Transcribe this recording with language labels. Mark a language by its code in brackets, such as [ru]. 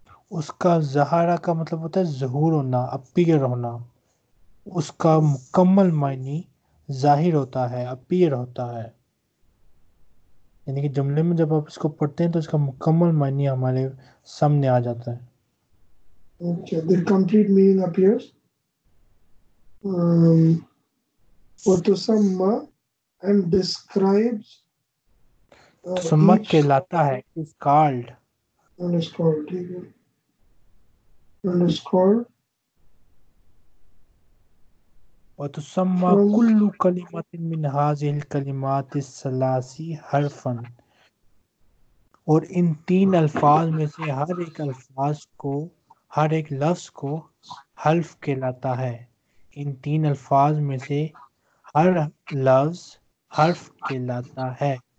[ur] اس کا ظہرہ کا مطلب ہوتا ہے ظہور ہونا, اپیئر ہونا. اس کا مکمل معنی ظاہر ہوتا ہے, اپیئر ہوتا ہے. یعنی کہ جملے میں جب آپ اس کو پڑھتے ہیں تو اس کا مکمل معنی ہمارے سامنے آ جاتا ہے. [en] Okay, the complete meaning appears. وتسمى and describes. [ur] تسمى کہلاتا ہے, [en] is called. And is called, and is called. [ar] وتسمى كل كلمة من هذه الكلمات الثلاثي حرفاً. [ur] اور ان تین الفاظ میں سے ہر ایک الفاظ کو, ہر ایک لفظ کو حرف کہلاتا ہے. ان تین الفاظ میں سے ہر لفظ حرف کہلاتا ہے.